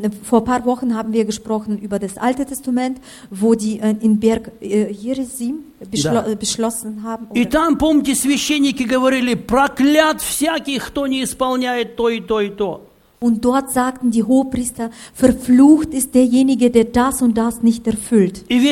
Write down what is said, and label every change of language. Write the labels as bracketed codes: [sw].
[de] Vor paar Wochen haben wir gesprochen über das Alte Testament, wo die in Berg Gerizim beschlossen haben. [ru] И там, помните, священники говорили: «Проклят всякий, кто не исполняет то и то и то». [de] Und dort sagten die Hohepriester, verflucht ist derjenige, der das und das nicht erfüllt.